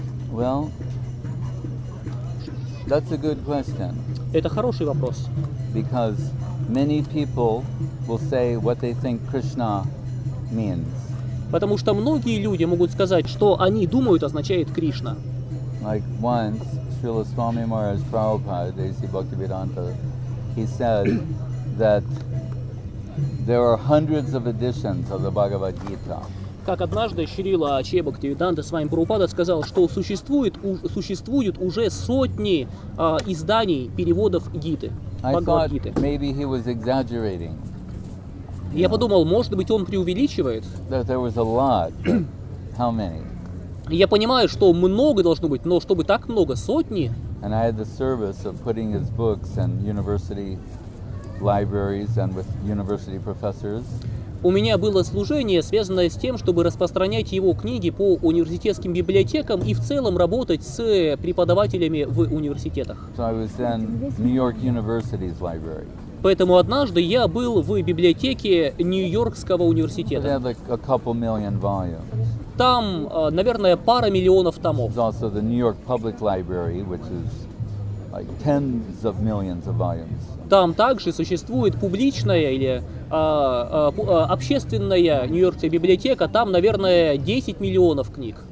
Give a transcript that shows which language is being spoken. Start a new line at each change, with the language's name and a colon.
English: Well, that's a good question.
Russian: Это хороший вопрос.
English: Because many people will say what they think Krishna means.
Russian: Потому что многие люди могут сказать, что они думают означает Кришна.
English: Like once. Srila Swami Maharaj Prabhupada, Desi Bhaktivedanta, he said that there are hundreds of editions of the Bhagavad Gita.
Russian: Как однажды Шрила Ачья Бхактивиданта Свами Прабхупада сказал, что существуют уже сотни изданий переводов Гиты.
English: I thought maybe he was exaggerating.
Russian: Я подумал, может быть, он преувеличивает.
English: That there was a lot. How many?
Russian: Я понимаю, что много должно быть, но чтобы так много, сотни.
English: And I had the service of putting his books in university libraries and with university professors.
Russian: У меня было служение, связанное с тем, чтобы распространять его книги по университетским библиотекам и в целом работать с преподавателями в университетах.
English: So I was in New York University's library.
Russian: Поэтому однажды я был в библиотеке Нью-Йоркского университета.
English: They had like a couple million volumes.
Russian: Там, наверное, пара миллионов томов.
English: There's also the New York Public Library, which is like tens of millions of volumes.
Russian: Там также существует публичная или общественная Нью-Йоркская библиотека. Там, наверное, 10 миллионов книг.